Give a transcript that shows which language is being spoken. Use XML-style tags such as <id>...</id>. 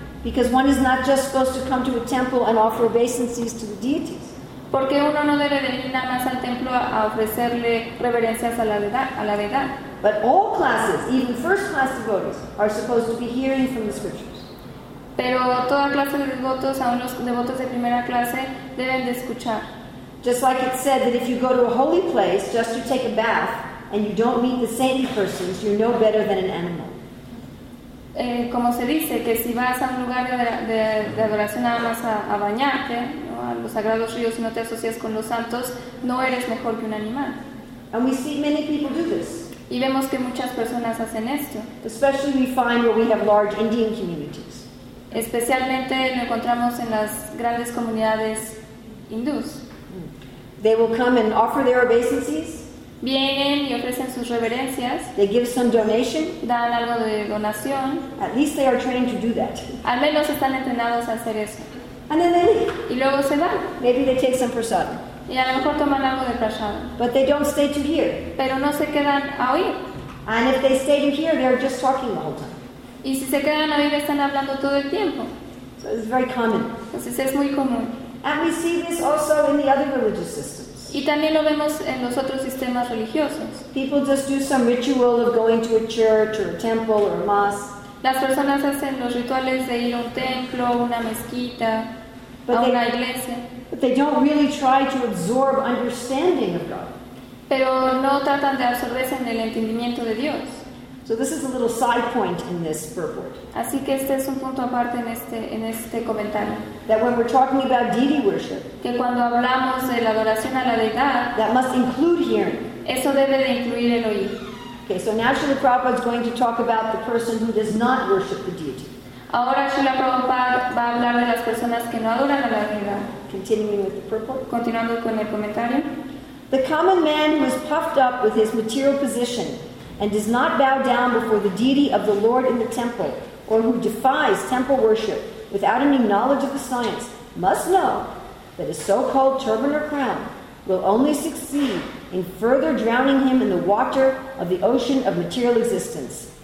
<en>Because one is not just supposed to come to a temple and offer obeisances to the deities.</en> <es>Porque uno no debe venir nada más al templo a ofrecerle reverencias a la deidad.</es> <en>But all classes, even first class devotees, are supposed to be hearing from the scriptures.</en> <es>Pero toda clase de devotos, aun los devotos de primera clase, deben de escuchar.</es> <en>Just like it said that if you go to a holy place just to take a bath and you don't meet the saintly persons, you're no better than an animal.</en> <es>Como se dice, que si vas a un lugar de adoración nada más a bañarte, ¿no?, a los sagrados ríos y no te asocias con los santos, no eres mejor que un animal.</es> <en>And we see many people do this.</en> <es>Y vemos que muchas personas hacen esto.</es> <en>Especially we find where we have large Indian communities.</en> <es>Especialmente lo encontramos en las grandes comunidades hindús.</es> <en>They will come and offer their obeisances.</en> <es>Vienen y ofrecen sus reverencias.</es> <en>They give some donation.</en> <es>Dan algo de donación.</es> <en>At least they are trained to do that.</en> <es>Al menos están entrenados a hacer eso.</es> <en>And then they,</en> <es>y luego se van.</es> <en>Maybe they take some prasad.</en> <es>Y a lo mejor toman algo de prasad.</es> <en>But they don't stay to hear.</en> <es>Pero no se quedan a oír.</es> <en>And if they stay to hear, they are just talking the whole time.</en> <es>Y si se quedan a oír, están hablando todo el tiempo.</es> <en>So it's very common.</en> <es>Entonces es muy común.</es> <en>And we see this also in the other religious systems.</en> <es>Y también lo vemos en los otros sistemas religiosos.</es> <en>People just do some ritual of going to a church or a temple or a mosque.</en> <es>Las personas hacen los rituales de ir a un templo, una mezquita,</es> <en>but</en> <es>a una iglesia.</es> <en>But they don't really try to absorb understanding of God.</en> <es>pero no tratan de absorberse en el entendimiento de Dios.</es> <en>So this is a little side point in this purport.</en> <es>Así que este es un punto aparte en este comentario.</es> <en>That when we're talking about deity worship,</en> <es>que cuando hablamos de la adoración a la deidad,</es> <en>that must include hearing.</en> <es>Eso debe de incluir el oír.</es> <en>Okay, so now Srila Prabhupada is going to talk about the person who does not worship the deity.</en> <es>Ahora Srila Prabhupada va a hablar de las personas que no adoran a la deidad.</es> <en>Continuing with the purport.</en> <es>Continuando con el comentario.</es> <en>The common man who is puffed up with his material position and does not bow down before the deity of the Lord in the temple, or who defies temple worship without any knowledge of the science, must know that a so-called turban or crown will only succeed in further drowning him in the water of the ocean of material existence.</en>